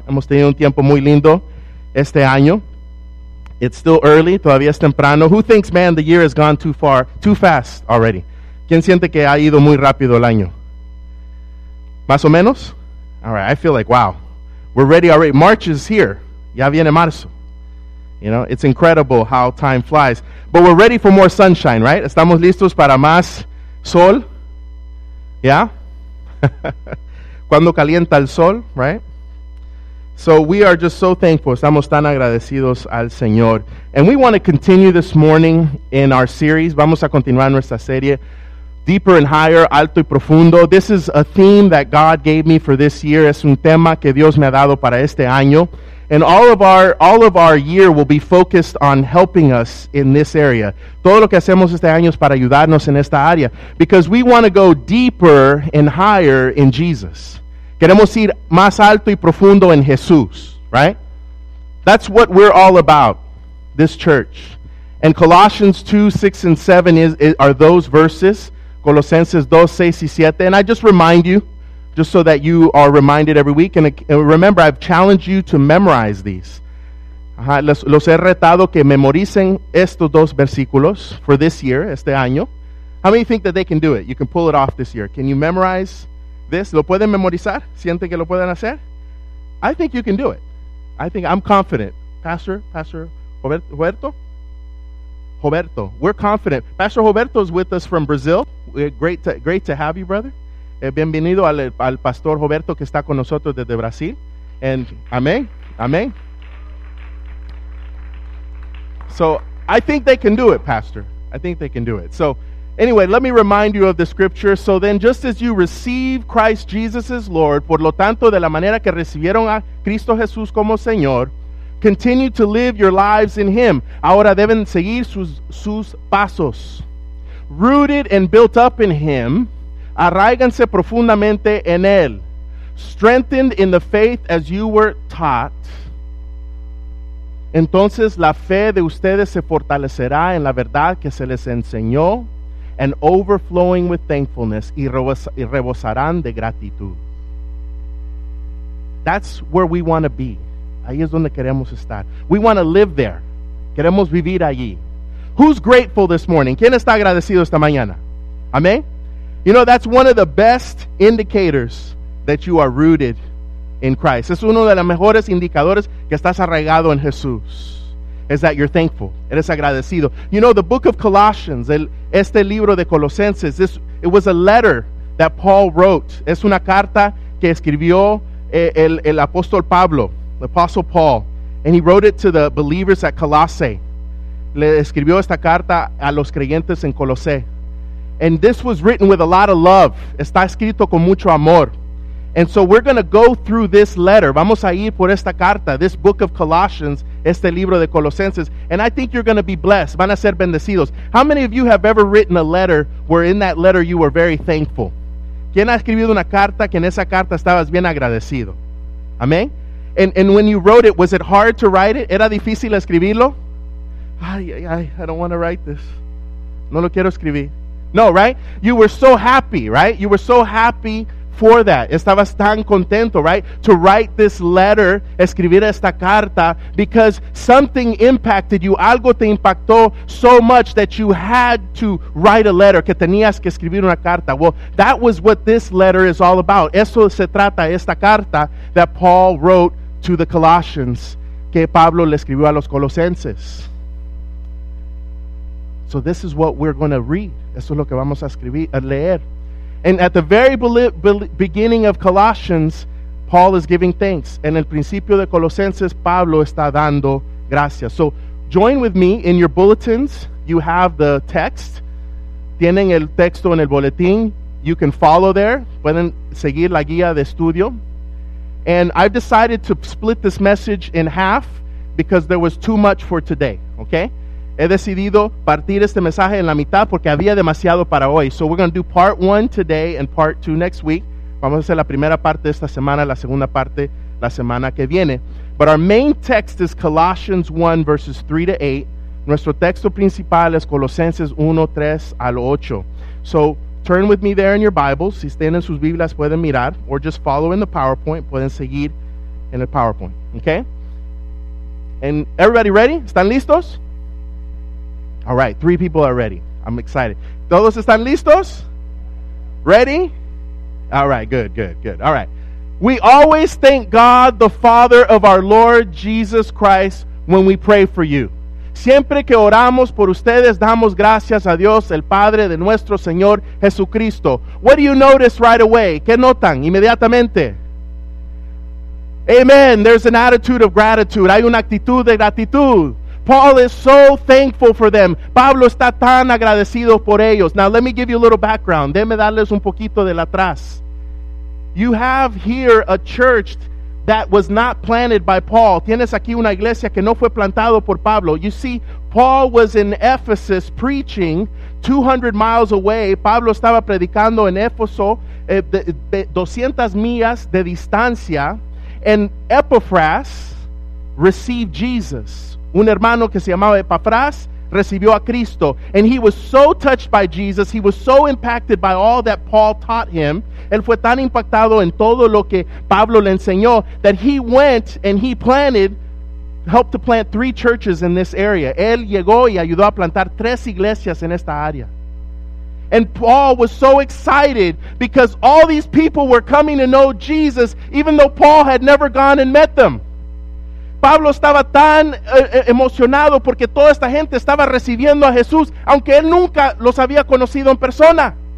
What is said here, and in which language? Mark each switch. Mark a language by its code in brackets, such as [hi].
[es] Hemos tenido un tiempo muy lindo este año. [en] It's still early, [es] todavía es temprano. [en] Who thinks, man, the year has gone too far, too fast already? [es] ¿Quién siente que ha ido muy rápido el año? ¿Más o menos? [en] All right, I feel like, wow, we're ready already. March is here. [es] Ya viene marzo. [en] You know, it's incredible how time flies. But we're ready for more sunshine, right? [es] ¿Estamos listos para más sol? [en] Yeah? [es] Cuando calienta el sol, [en] right? So we are just so thankful. [es] Estamos tan agradecidos al Señor. [en] And we want to continue this morning in our series. [es] Vamos a continuar nuestra serie. [en] Deeper and higher, [es] alto y profundo. [en] This is a theme that God gave me for this year. [es] Es un tema que Dios me ha dado para este año. [en] And all of our year will be focused on helping us in this area. [es] Todo lo que hacemos este año es para ayudarnos en esta área. [en] Because we want to go deeper and higher in Jesus. [es] Queremos ir más alto y profundo en Jesús, right? [en] That's what we're all about, this church. And Colossians 2, 6, and 7 are those verses. [es] Colosenses 2, 6, y 7. [en] And I just remind you, just so that you are reminded every week. And remember, I've challenged you to memorize these. [es] Los he retado que memoricen estos dos versículos [en] for this year, [es] este año. [en] How many think that they can do it? You can pull it off this year. Can you memorize this? [es] ¿Lo pueden memorizar? ¿Sienten que lo pueden hacer? [en] I think you can do it. I think I'm confident. Pastor Roberto? Roberto, we're confident. Pastor Roberto is with us from Brazil. Great to have you, brother. Bienvenido al Pastor Roberto [es] que está con nosotros desde Brasil. [en] And amen, amen. So I think they can do it, Pastor. I think they can do it. So anyway, let me remind you of the scripture. So then, just as you receive Christ Jesus as Lord, [es] por lo tanto, de la manera que recibieron a Cristo Jesús como Señor, [en] continue to live your lives in Him. [es] Ahora deben seguir sus pasos. [en] Rooted and built up in Him, [es] arraiganse profundamente en Él. [en] Strengthened in the faith as you were taught, [es] entonces la fe de ustedes se fortalecerá en la verdad que se les enseñó, [en] and overflowing with thankfulness, [es] y rebosarán de gratitud. [en] That's where we want to be. [es] Ahí es donde queremos estar. [en] We want to live there. [es] Queremos vivir allí. [en] Who's grateful this morning? [es] ¿Quién está agradecido esta mañana? Amén. [en] You know, that's one of the best indicators that you are rooted in Christ. [es] Es uno de los mejores indicadores que estás arraigado en Jesús. [en] Is that you're thankful. [es] Eres agradecido. [en] You know, the book of Colossians, [es] este libro de Colosenses, [en] it was a letter that Paul wrote. [es] Es una carta que escribió el apóstol Pablo. [en] The Apostle Paul, and he wrote it to the believers at Colossae. [es] Le escribió esta carta a los creyentes en Colosae. [en] And this was written with a lot of love. [es] Está escrito con mucho amor. [en] And so we're going to go through this letter. [es] Vamos a ir por esta carta, [en] this book of Colossians, [es] este libro de Colosenses. [en] And I think you're going to be blessed. [es] Van a ser bendecidos. [en] How many of you have ever written a letter where in that letter you were very thankful? [es] ¿Quién ha escribido una carta que en esa carta estabas bien agradecido? Amén. [en] And when you wrote it, was it hard to write it? [es] ¿Era difícil escribirlo? [en] Ay, ay, ay, I don't want to write this. [es] No lo quiero escribir. [en] No, right? You were so happy, right? You were so happy for that. [es] Estabas tan contento, [en] right? To write this letter, [es] escribir esta carta, [en] because something impacted you. [es] Algo te impactó [en] so much that you had to write a letter, [es] que tenías que escribir una carta. [en] Well, that was what this letter is all about. [es] Eso se trata, esta carta [en] that Paul wrote to the Colossians, [es] que Pablo le escribió a los Colosenses. [en] So this is what we're going to read. [es] Eso es lo que vamos a escribir, a leer. [en] And at the very beginning of Colossians, Paul is giving thanks. [es] En el principio de Colosenses, Pablo está dando gracias. [en] So join with me in your bulletins. You have the text. [es] Tienen el texto en el boletín. [en] You can follow there. [es] Pueden seguir la guía de estudio. [en] And I've decided to split this message in half because there was too much for today, okay? [es] He decidido partir este mensaje en la mitad porque había demasiado para hoy. [en] So we're going to do part one today and part two next week. [es] Vamos a hacer la primera parte esta semana, la segunda parte la semana que viene. [en] But our main text is Colossians 1, verses 3 to 8. [es] Nuestro texto principal es Colosenses 1, 3 al 8. [en] So Turn with me there in your Bibles. [es] Si están en sus Biblias, pueden mirar. [en] Or just follow in the PowerPoint. [es] Pueden seguir en el PowerPoint. [en] Okay? And everybody ready? [es] ¿Están listos? [en] All right. Three people are ready. I'm excited. [es] ¿Todos están listos? [en] Ready? All right. Good, good, good. All right. We always thank God, the Father of our Lord Jesus Christ, when we pray for you. [es] Siempre que oramos por ustedes, damos gracias a Dios, el Padre de nuestro Señor Jesucristo. [en] What do you notice right away? [es] ¿Qué notan inmediatamente? [en] Amen. There's an attitude of gratitude. [es] Hay una actitud de gratitud. [en] Paul is so thankful for them. [es] Pablo está tan agradecido por ellos. [en] Now, let me give you a little background. [es] Déjeme darles un poquito de la atrás. [en] You have here a church that was not planted by Paul. [es] Tienes aquí una iglesia que no fue plantado por Pablo. [en] You see, Paul was in Ephesus preaching 200 miles away. [es] Pablo estaba predicando en Éfeso, 200 millas de distancia. [en] And Epaphras received Jesus. [es] Un hermano que se llamaba Epaphras recibió a Cristo. [en] And he was so touched by Jesus. He was so impacted by all that Paul taught him. [es] Él fue tan impactado en todo lo que Pablo le enseñó [en] that he went and he planted, helped to plant three churches in this area. [es] Él llegó y ayudó a plantar tres iglesias en esta área. [en] And Paul was so excited because all these people were coming to know Jesus, even though Paul had never gone and met them. [es] Pablo estaba tan emocionado porque toda esta gente estaba recibiendo a Jesús, aunque él nunca los había conocido en persona.